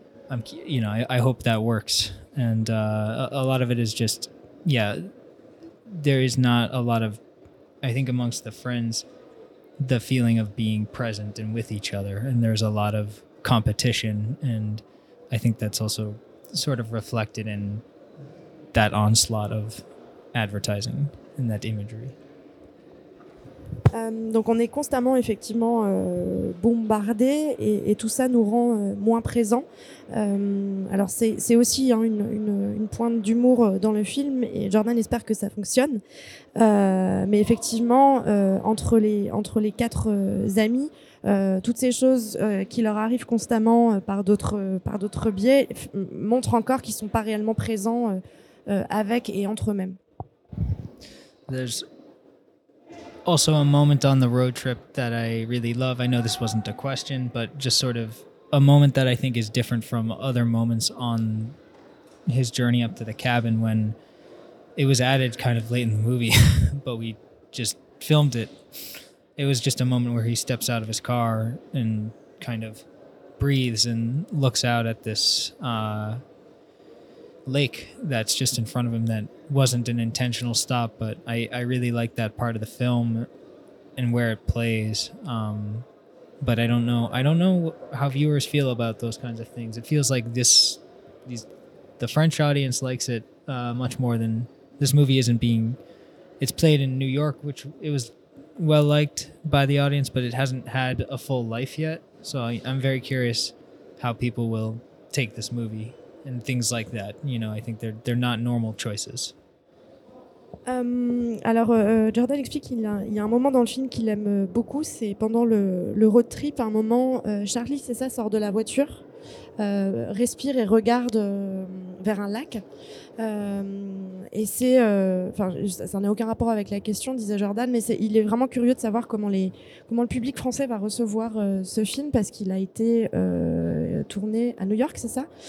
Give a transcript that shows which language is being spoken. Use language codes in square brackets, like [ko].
[en] I hope that works, and a lot of it is just, yeah, there is not a lot of, I think, amongst the friends, the feeling of being present and with each other, and there's a lot of competition, and I think that's also sort of reflected in that onslaught of advertising and that imagery. [fr] Donc on est constamment effectivement bombardé et tout ça nous rend moins présents. Alors c'est aussi hein, une pointe d'humour dans le film et Jordan espère que ça fonctionne. Mais effectivement entre les quatre amis, toutes ces choses qui leur arrivent constamment par d'autres biais montrent encore qu'ils sont pas réellement présents avec et entre eux-mêmes. [en] Also a moment on the road trip that I really love. I know this wasn't a question, but just sort of a moment that I think is different from other moments on his journey up to the cabin when it was added kind of late in the movie, but we just filmed it. It was just a moment where he steps out of his car and kind of breathes and looks out at this lake that's just in front of him that wasn't an intentional stop, but I really like that part of the film and where it plays. But I don't know how viewers feel about those kinds of things. It feels like the French audience likes it much more than this movie isn't being. It's played in New York, which it was well liked by the audience, but it hasn't had a full life yet. So I'm very curious how people will take this movie and things like that. You know, I think they're not normal choices. [fr] Alors Jordan explique qu'il y a un moment dans le film qu'il aime beaucoup, c'est pendant le road trip, un moment Charlie, c'est ça, sort de la voiture, respire et regarde vers un lac. Et c'est, enfin, ça n'a aucun rapport avec la question, disait Jordan, mais il est vraiment curieux de savoir comment le public français va recevoir ce film parce qu'il a été tourné à New York, c'est ça?